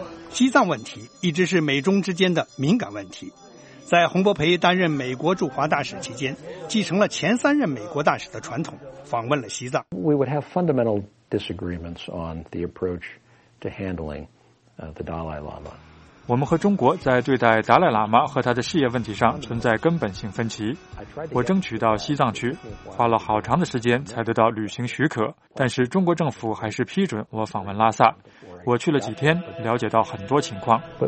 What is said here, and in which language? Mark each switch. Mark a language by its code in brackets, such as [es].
[zh] 西藏问题一直是美中之间的敏感问题，在洪波培担任美国驻华大使期间，继承了前三任美国大使的传统，访问了西藏。 [en] We would have fundamental disagreements on the approach to handling the Dalai Lama。 [zh] 我们和中国在对待达赖喇嘛和他的事业问题上存在根本性分歧。我争取到西藏去，花了好长的时间才得到旅行许可，但是中国政府还是批准我访问拉萨。我去了几天，了解到很多情况。